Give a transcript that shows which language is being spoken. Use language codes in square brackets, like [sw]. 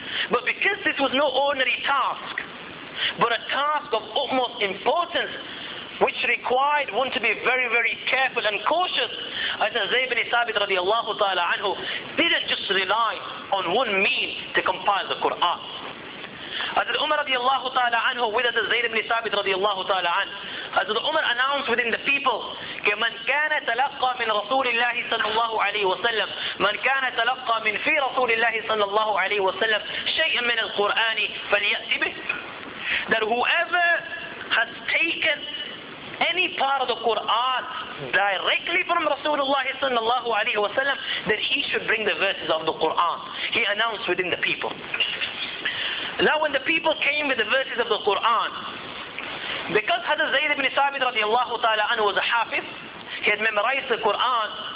[en] But because this was no ordinary task, but a task of utmost importance, which required one to be very, very careful and cautious, as Zayd ibn Thabit radiallahu ta'ala anhu didn't just rely on one means to compile the Quran. As Umar radiallahu ta'ala anhu, with Zayd ibn Thabit radiallahu ta'ala anhu, as Umar announced within the people, [ar] كَمَنْ كَانَ تَلَقَّى مِنْ رَسُولِ اللَّهِ صَلَّى اللَّهُ عَلَيْهِ وَسَلَّمْ مَنْ كَانَ تَلَقَّى مِنْ فِي رَسُولِ اللَّهِ صَلَّى اللَّهُ عَلَيْهِ وَسَلَّمْ شَيْئًا مِنَ الْقُرْآنِ فَلْيَأْتِ بِهِ. [en] That whoever has taken any part of the Quran directly from Rasulullah sallallahu alayhi wa sallam, then he should bring the verses of the Quran. He announced within the people. Now when the people came with the verses of the Quran, because Hadith Zayd ibn Thabit radiallahu ta'ala anhu was a hafiz, he had memorized the Quran.